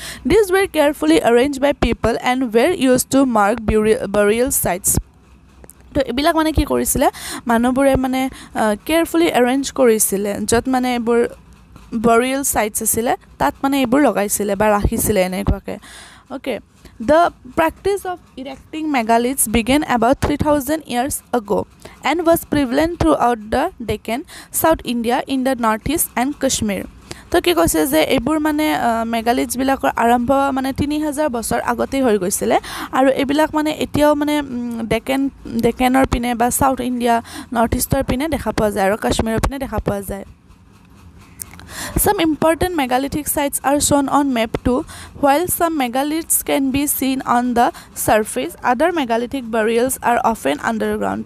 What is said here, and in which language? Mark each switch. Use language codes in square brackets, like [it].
[en] these were carefully arrange by people and were use to mark burial sites, [as] তো এইবিলাক মানে কি কৰিছিলে মানুহবোৰে মানে কেয়াৰফুলি এৰেঞ্জ কৰিছিলে, য'ত মানে এইবোৰ বাৰিয়েল চাইটছ আছিলে তাত মানে এইবোৰ লগাইছিলে বা ৰাখিছিলে এনেকুৱাকৈ, okay. [en] The practice of erecting megaliths began about 3000 years ago and was prevalent throughout the Deccan, South India, in the Northeast and Kashmir. [as] তো কি কৈছে যে এইবোৰ মানে মেগালিথছবিলাকৰ আৰম্ভ মানে 3000 বছৰ আগতেই হৈ গৈছিলে, আৰু এইবিলাক মানে এতিয়াও মানে ডেকেনৰ পিনে বা চাউথ ইণ্ডিয়া নৰ্থ ইষ্টৰ পিনে দেখা পোৱা যায় আৰু কাশ্মীৰৰ পিনে দেখা পোৱা যায়। [en] Some important megalithic sites are shown on map too. While some megaliths can be seen on the surface, other megalithic burials are often underground.